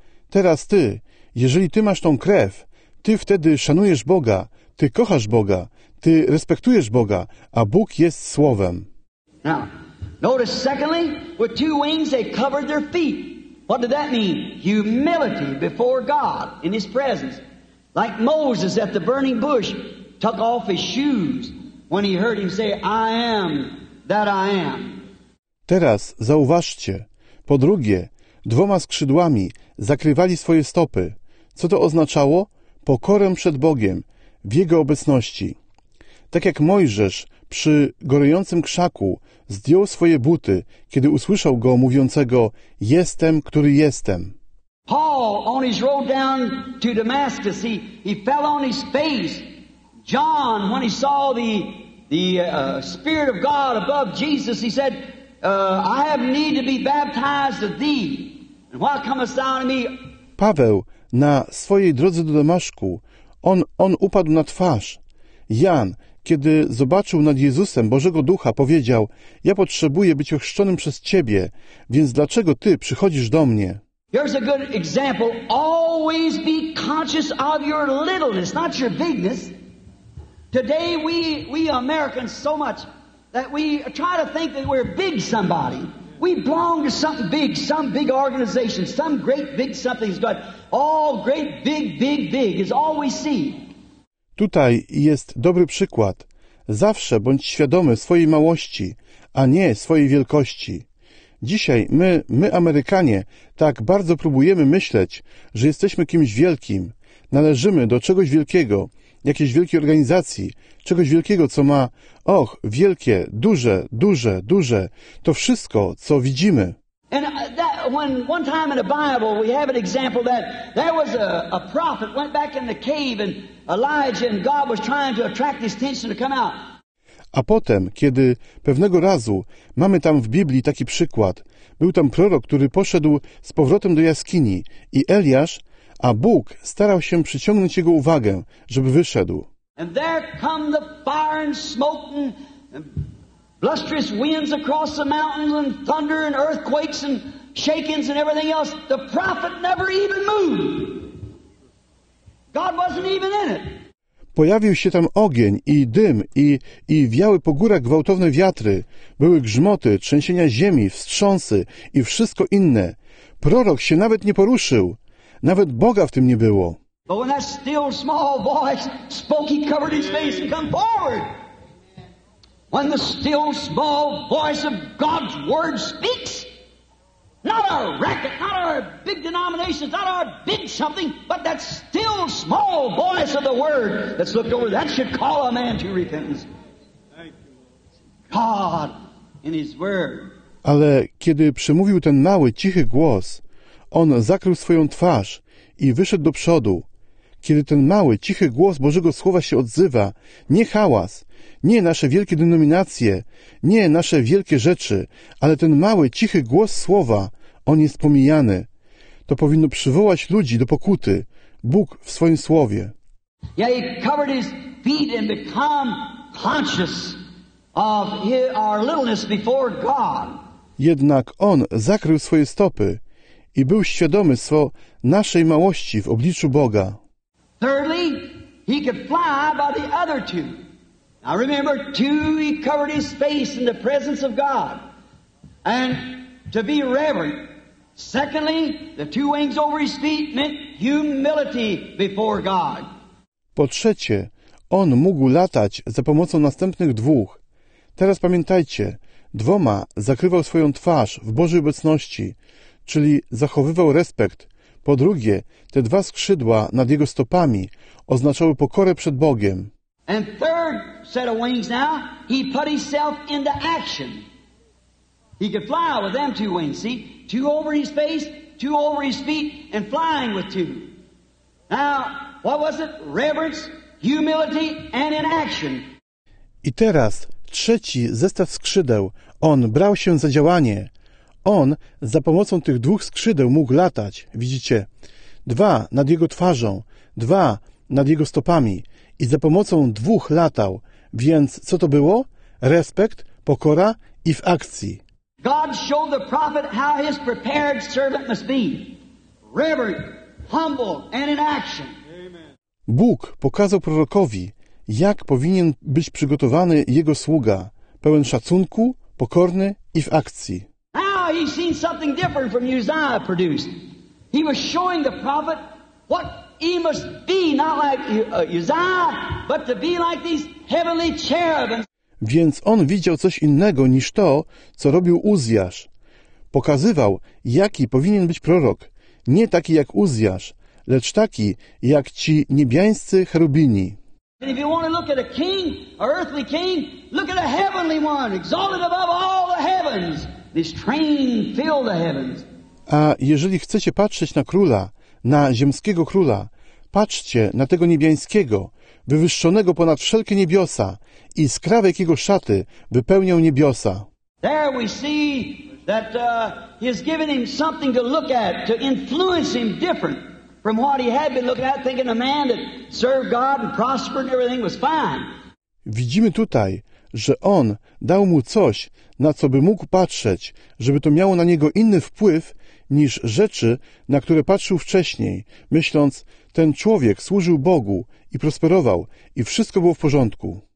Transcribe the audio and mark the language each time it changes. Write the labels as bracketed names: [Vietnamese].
[Polish] Teraz ty, jeżeli ty masz tą krew, ty wtedy szanujesz Boga, ty kochasz Boga, ty respektujesz Boga, a Bóg jest Słowem. [English] Now, notice secondly, with two wings they covered their feet. What did that mean? Humility before God in his presence. Like Moses at the burning bush took off his shoes when he heard him say, I am that I am. [Polish] Teraz zauważcie, po drugie, dwoma skrzydłami zakrywali swoje stopy. Co to oznaczało? Pokorę przed Bogiem, w Jego obecności. Tak jak Mojżesz przy gorącym krzaku zdjął swoje buty, kiedy usłyszał go mówiącego, jestem, który jestem. [English] Paul, on his road down to Damascus, he fell on his face, John, when he saw the Spirit of God above Jesus, he said, I have need to be baptized of thee. And why comest thou to me? [Polish] Paweł, na swojej drodze do Damaszku, on upadł na twarz. Jan, kiedy zobaczył nad Jezusem Bożego Ducha, powiedział, ja potrzebuję być ochrzczonym przez Ciebie, więc dlaczego Ty przychodzisz do mnie? [English] Here's a good example. Always be conscious of your littleness, not your bigness. Today we Americans so much that we try to think that we're big somebody. We belong to something big, some big organization, some great big something's got all great big is all we see. [Polish] Tutaj jest dobry przykład. Zawsze bądź świadomy swojej małości, a nie swojej wielkości. Dzisiaj my Amerykanie, tak bardzo próbujemy myśleć, że jesteśmy kimś wielkim, należymy do czegoś wielkiego, jakiejś wielkiej organizacji, czegoś wielkiego, co ma, och, wielkie, duże, to wszystko, co widzimy. [English] And that, when one time in the Bible, we have an example that there was a prophet went back in the cave and Elijah and God was trying to attract his attention to come out. [Polish] A potem, kiedy pewnego razu, mamy tam w Biblii taki przykład, był tam prorok, który poszedł z powrotem do jaskini i Eliasz, a Bóg starał się przyciągnąć jego uwagę, żeby wyszedł. [English] And there come the fire and smoke and blusterous winds across the mountains and thunder and earthquakes and shakings and everything else. The prophet never even moved. God wasn't even in it. [Polish] Pojawił się tam ogień i dym i wiały po górach gwałtowne wiatry. Były grzmoty, trzęsienia ziemi, wstrząsy i wszystko inne. Prorok się nawet nie poruszył. Nawet Boga w tym nie było. [English] But when that still small voice spoke, he covered his face and come forward. When the still small voice of God's word speaks, not our racket, not our big denominations, not our big something, but that still small voice of the word that's looked over, that should call a man to repentance. God in his word. [Polish] Ale kiedy przemówił ten mały, cichy głos, on zakrył swoją twarz i wyszedł do przodu. Kiedy ten mały, cichy głos Bożego Słowa się odzywa, nie hałas, nie nasze wielkie denominacje, nie nasze wielkie rzeczy, ale ten mały, cichy głos Słowa, on jest pomijany. To powinno przywołać ludzi do pokuty. Bóg w swoim Słowie. [English] Ja, he covered his feet and become conscious of our littleness before God. [Polish] Jednak on zakrył swoje stopy i był świadomy naszej małości w obliczu Boga. [English] Thirdly, he could fly by the other two. Now remember, two, he covered his face in the presence of God. And to be reverent. Secondly, the two wings over his feet meant humility before God. [Polish] Po trzecie, on mógł latać za pomocą następnych dwóch. Teraz pamiętajcie, dwoma zakrywał swoją twarz w Bożej obecności, czyli zachowywał respekt. Po drugie, te dwa skrzydła nad jego stopami oznaczały pokorę przed Bogiem. [English] And third set of wings now, he put himself into action. He could fly with them two wings, see? Two over his face, two over his feet, and flying with two. Now, what was it? Reverence, humility, and in action. [Polish] I teraz trzeci zestaw skrzydeł. On brał się za działanie. On za pomocą tych dwóch skrzydeł mógł latać, widzicie, dwa nad jego twarzą, dwa nad jego stopami i za pomocą dwóch latał, więc co to było? Respekt, pokora i w akcji. [English] God showed the prophet how his prepared servant must be. Reverent, humble and in action. [Polish] Bóg pokazał prorokowi, jak powinien być przygotowany jego sługa, pełen szacunku, pokorny i w akcji. [English] He seen something different from Uzziah produced. He was showing the prophet what he must be, not like Uzziah, but to be like these heavenly cherubim. [Polish] Więc on widział coś innego niż to, co robił Uzziasz. Pokazywał, jaki powinien być prorok, nie taki jak Uzziasz, lecz taki jak ci niebiańscy cherubini. [English] And if you want to look at a king, an earthly king, look at a heavenly one, exalted above all the heavens. This train filled the heavens. [Polish] A jeżeli chcecie patrzeć na króla, na ziemskiego króla, patrzcie na tego niebiańskiego, wywyższonego ponad wszelkie niebiosa i skrawek jego szaty wypełniał niebiosa. [English] There we see that he's given him something to look at, to influence him different from what he had been looking at, thinking a man that served God and prospered and everything was fine. [Polish] Widzimy tutaj, że on dał mu coś, na co by mógł patrzeć, żeby to miało na niego inny wpływ niż rzeczy, na które patrzył wcześniej, myśląc, ten człowiek służył Bogu i prosperował, i wszystko było w porządku.